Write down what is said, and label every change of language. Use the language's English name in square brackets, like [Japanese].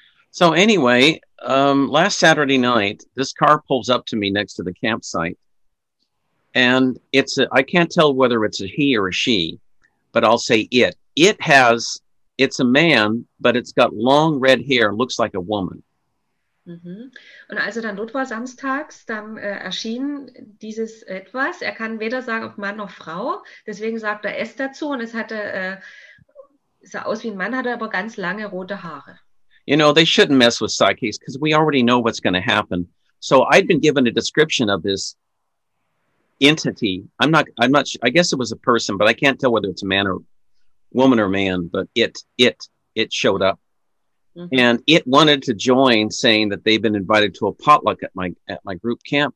[English] So anyway, last Saturday night, this car pulls up to me next to the campsite. And I can't tell whether it's a he or a she, but I'll say it. It's a man, but it's got long red hair and looks like a woman. [German] Und als er dann dort war, samstags, dann erschien dieses Etwas. Er kann weder sagen, ob Mann noch Frau. Deswegen sagt er es dazu. Und es hatte, sah aus wie ein Mann, hatte aber ganz lange rote Haare. [English] You know, they shouldn't mess with psyches, because we already know what's going to happen. So I'd been given a description of this entity. I guess it was a person, but I can't tell whether it's a man or woman or man, but it showed up. And it wanted to join, saying that they've been invited to a potluck at my group camp.